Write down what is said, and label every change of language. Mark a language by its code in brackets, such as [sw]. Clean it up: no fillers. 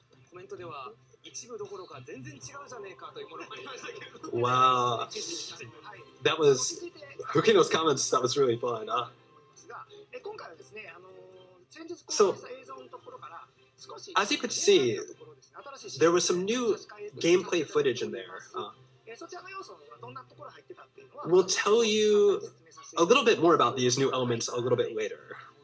[ja] コメントでは一部どころか全然違うじゃねえかというものがありましたけど。 [en] Wow, that was Hukino's comments. That was really fun. [ja] 今回はですね、先日公開した映像のところから少し、 [en] as you could see, there was some new gameplay footage in there. [ja] そちらの要素はどんなところ入ってたっていうのは、 [en] we'll tell you a little bit more about these new elements a little bit later.